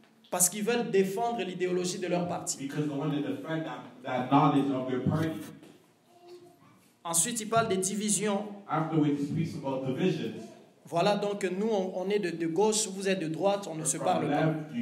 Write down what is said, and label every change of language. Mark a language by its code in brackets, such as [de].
[fr] Parce qu'ils veulent défendre l'idéologie de leur parti. [en] That knowledge of their party. [fr] Ensuite, il parle des divisions. [en] Afterwards, he speaks about divisions. [fr] Voilà, donc nous, on est de gauche, vous êtes de droite, on ne se parle pas.